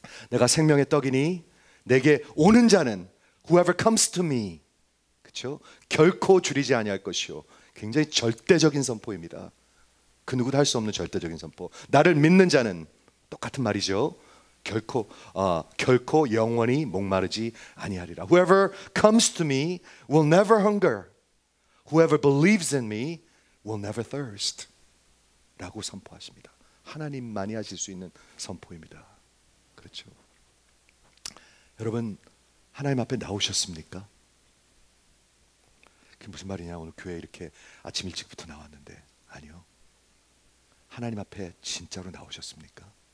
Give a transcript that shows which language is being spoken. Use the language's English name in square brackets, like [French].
[Korean] 내가 생명의 떡이니 내게 오는 자는 [English] whoever comes to me [Korean] 그렇죠? 결코 줄이지 아니할 것이요. 굉장히 절대적인 선포입니다. 그 누구도 할 수 없는 절대적인 선포. 나를 믿는 자는 똑같은 말이죠. 결코 영원히 목마르지 아니하리라. [English] Whoever comes to me will never hunger. Whoever believes in me will never thirst. [Korean] 라고 선포하십니다. 하나님만이 하실 수 있는 선포입니다. 그렇죠? 여러분 하나님 앞에 나오셨습니까? 그게 무슨 말이냐? 오늘 교회 이렇게 아침 일찍부터 나왔는데 아니요. 하나님 앞에 진짜로 나오셨습니까?